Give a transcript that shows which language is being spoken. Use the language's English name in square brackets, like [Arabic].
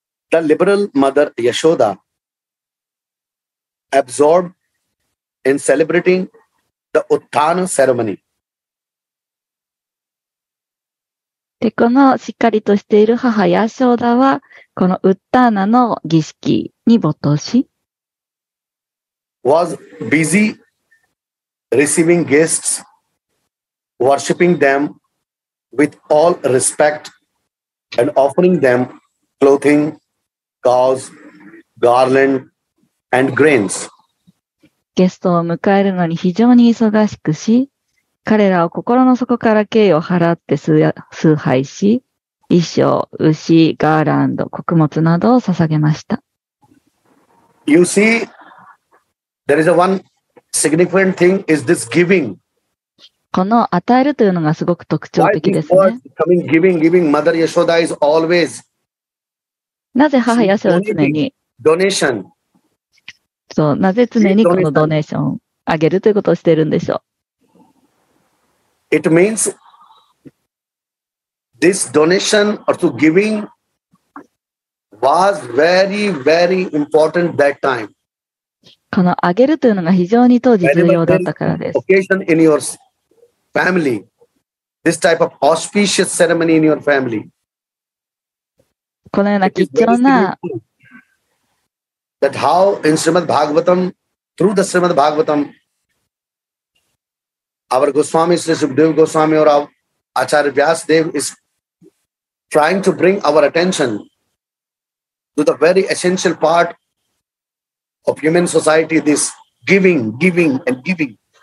[English] The liberal mother Yashoda absorbed in celebrating the Uthana ceremony. [Japanese] で、このしっかりとしている母ヤショダは、このウッターナの儀式に没頭し、 [English] was busy receiving guests, worshipping them with all respect, and offering them clothing, gauze, garland, and grains. [Japanese] ゲストを迎えるのに非常に忙しくし、彼らを心の底から敬意を払って崇拝し、衣装、牛、ガーランド、穀物などを捧げました。 [English] You see, there is a one significant thing is this giving. [Japanese] この与えるというのがすごく特徴的ですね。 [English] Coming, giving, giving. Mother Yashoda is always... [Japanese] なぜ母ヤシオは常に、 [English] donation. [Japanese] そう、なぜ常にこのドネーションをあげるということをしているんでしょう。 [English] It means this donation or to giving was very, very important that time. [Japanese] このあげるというのが非常に当時重要だったからです。 [English] Occasion in your family, this type of auspicious ceremony in your family. [Japanese] このような貴重な。 [English] That how in Srimad Bhagavatam, through the Srimad Bhagavatam,Our Goswami, Sri Subhadev Goswami, or Acharya Vyas Dev is trying to bring our attention to the very essential part of human society, this giving, giving, and giving.